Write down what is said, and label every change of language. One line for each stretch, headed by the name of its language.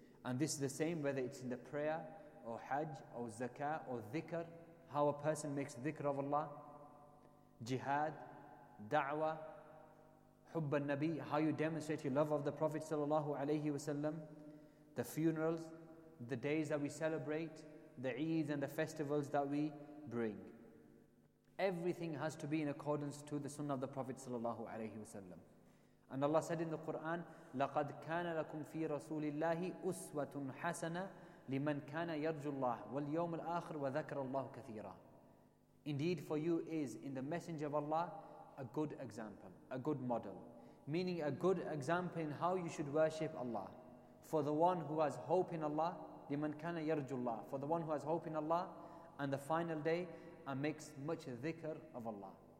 English: And this is the same whether it's in the prayer or hajj or zakah or dhikr, how a person makes dhikr of Allah, jihad, da'wah, hubb al-nabi, how you demonstrate your love of the Prophet sallallahu alaihi wasallam, the funerals, the days that we celebrate, the Eid and the festivals that we bring. Everything has to be in accordance to the sunnah of the Prophet sallallahu alaihi wasallam. And Allah said in the Quran,
Arabic: "لَقَدْ كَانَ لَكُمْ فِي رَسُولِ اللَّهِ أُسْوَةٌ حَسَنَةٌ لِمَنْ كَانَ يَرْجُ اللَّهِ وَالْيَوْمُ الْآخِرُ وَذَكَرَ اللَّهُ كَثِيرًا."
English: Indeed for you is in the Messenger of Allah a good example, a good model, meaning a good example in how you should worship Allah. For the one who has hope in Allah,
Arabic: لِمَنْ كَانَ يَرْجُ اللَّهِ,
English: for the one who has hope in Allah and the final day, and makes much dhikr of Allah.